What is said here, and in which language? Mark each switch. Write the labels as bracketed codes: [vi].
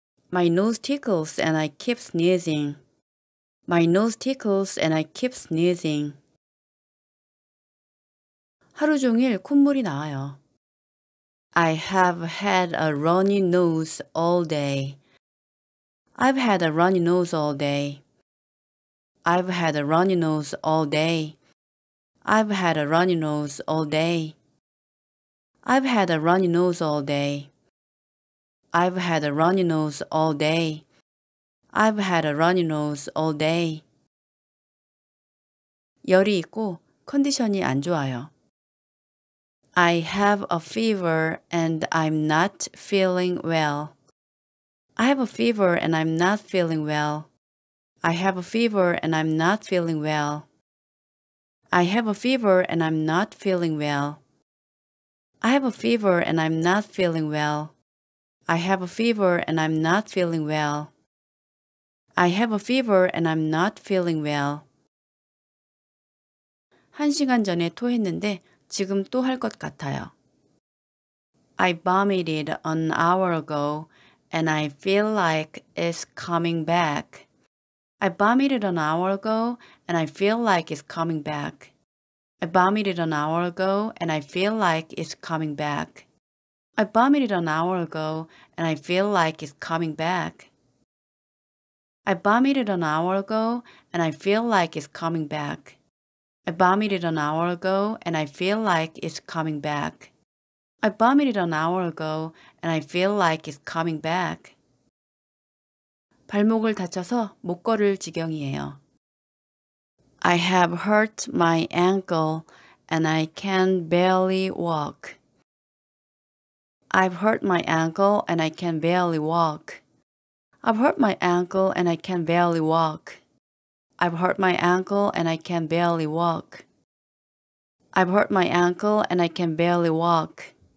[en] My nose tickles and I keep sneezing. My nose tickles and I keep sneezing. [ko] 하루 종일 콧물이 나와요. [en] I have had a runny nose all day. I've had a runny nose all day. I've had a runny nose all day. I've had a runny nose all day. I've had a runny nose all day. I've had a runny nose all day. I've had a runny nose all day. [ko] 열이 있고 컨디션이 안 좋아요. [en] I have a fever and I'm not feeling well. I have a fever and I'm not feeling well. I have a fever and I'm not feeling well. I have a fever and I'm not feeling well. I have a fever and I'm not feeling well. I have a fever and I'm not feeling well. I have a fever and I'm not feeling well. [ko] 한 시간 전에 토했는데 지금 또 할 것 같아요. [en] I vomited an hour ago and I feel like it's coming back. I vomited an hour ago and I feel like it's coming back. I vomited an hour ago and I feel like it's coming back. I vomited an hour ago and I feel like it's coming back. I vomited an hour ago and I feel like it's coming back. I vomited an hour ago and I feel like it's coming back. I vomited an hour ago and I feel like it's coming back. [ko] 발목을 다쳐서 못 걸을 지경이에요. [en] I have hurt my ankle and I can barely walk. I've hurt my ankle and I can barely walk. I've hurt my ankle and I can barely walk. I've hurt my ankle and I can barely walk. I've hurt my ankle and I can barely walk.